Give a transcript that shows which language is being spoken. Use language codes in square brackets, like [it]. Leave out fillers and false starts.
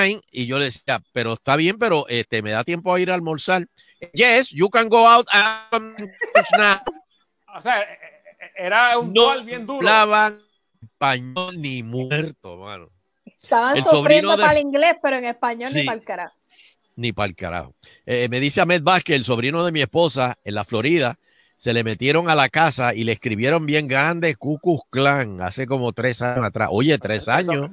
[es] Y yo le decía, pero está bien, pero me da tiempo a ir a almorzar. [en] Yes, you can go out and snack. [es] O sea, era un gol no bien duro. Hablaban español ni muerto, mano. Estaban sufriendo para el inglés, pero en español sí, ni para el carajo. Ni para el carajo. Me dice Ahmed Vázquez, el sobrino de mi esposa en la Florida, se le metieron a la casa y le escribieron bien grande Ku Klux Klan hace como 3 años atrás. Oye, 3 años.